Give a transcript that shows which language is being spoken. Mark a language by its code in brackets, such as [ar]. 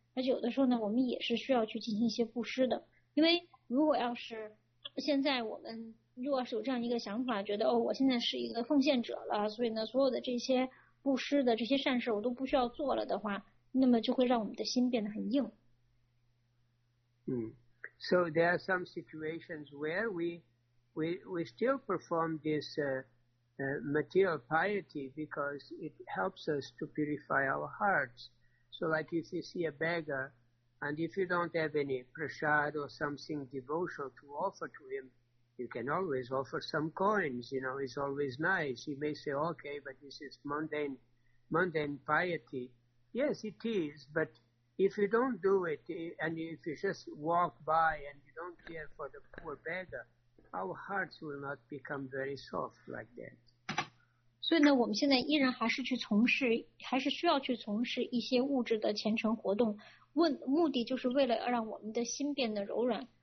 [zh] 而且有的时候呢，我们也是需要去进行一些布施的。因为如果要是现在我们如果是有这样一个想法，觉得哦，我现在是一个奉献者了，所以呢，所有的这些布施的这些善事我都不需要做了的话，那么就会让我们的心变得很硬。 [en] So there are some situations where we still perform this material piety because it helps us to purify our hearts. So like if you see a beggar, and if you don't have any prasad or something devotional to offer to him, you can always offer some coins, you know, it's always nice. He may say, okay, but this is mundane piety. Yes, it is, but if you don't do it, and if you just walk by and you don't care for the poor beggar, our hearts will not become very soft like that. [zh] 所以呢，我们现在依然还是去从事，还是需要去从事一些物质的虔诚活动，目的就是为了让我们的心变得柔软。